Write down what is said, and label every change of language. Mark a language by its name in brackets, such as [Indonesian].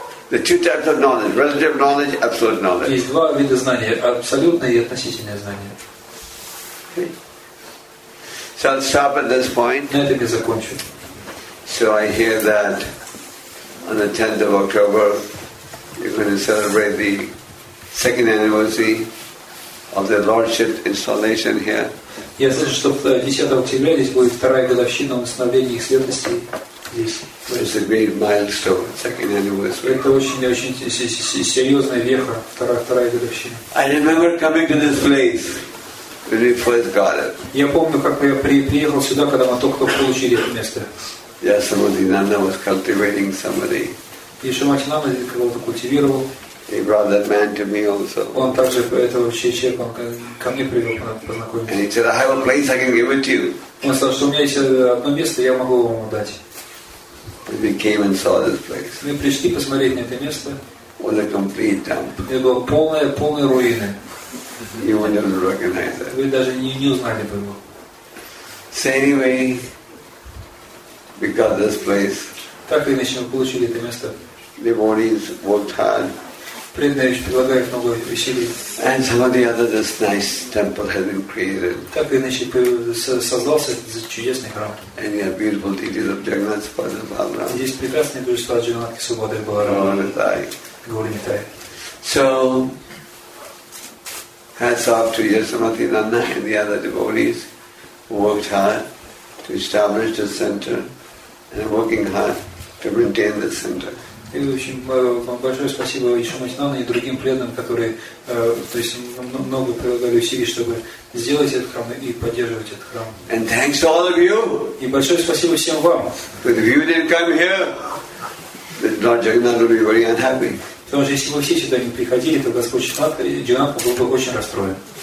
[English] The two types of knowledge, relative knowledge, absolute knowledge. [Russian] Есть два вида знания, абсолютное и относительное знание. [English] So I'll stop at this point. [Russian] На этом я закончу. [English] So I hear that on the 10th of October you're going to celebrate the second anniversary of the Lordship installation here. [Russian] Я слышу, что 10 октября здесь будет вторая годовщина установления их святости здесь. [English] A great milestone, second anniversary. [Russian] Это очень-очень серьезная веха, вторая годовщина. [English] I remember coming to this place when we first got it. [Russian] Я помню, как я приехал сюда, когда мы только получили это место. [English] Ясамадинанда was cultivating somebody. [Russian] Ясамадинанда здесь кого-то культивировал. [English] He brought that man to me also. [Russian] Он также этого человека ко мне привел, познакомился. [English] And he said, "I have a place I can give it to you." [Russian] Он сказал, что у меня есть одно место, я могу вам дать. [English] But we came and saw this place. [Russian] Мы пришли посмотреть на это место. [English] Was a complete dump. [Russian] Это было полное руины. [English] You wouldn't recognize it. [Russian] Вы даже не узнали бы его. [English] So anyway, we got this place. [Russian] Так или иначе, мы получили это место. [English] Devotees worked hard. [Russian] Преданные прилагают много усилий. [English] And some of the other this nice temple has been created. [Russian] Так или иначе, создался этот чудесный храм. [English] And you have beautiful deities of Jagannath Pada Balaram. [Russian] Здесь прекрасные божества Джагнатхи Субхадры Баларама. Говоритай. Говоритай. [English] So, hats off to Yasamati Nanda and the other devotees who worked hard to establish the center and working hard to maintain the center. [Russian] И в общем, вам большое спасибо Ишамати Нанда и другим преданным, которые, то есть, много прилагали усилий, чтобы сделать этот храм и поддерживать этот храм. [English] And thanks to all of you. [Russian] И большое спасибо всем вам. [English] But if you didn't come here, Lord Jagannath would be very unhappy. [Russian] Потому что если вы все сюда не приходили, то Господь Джагнатх был бы очень расстроен.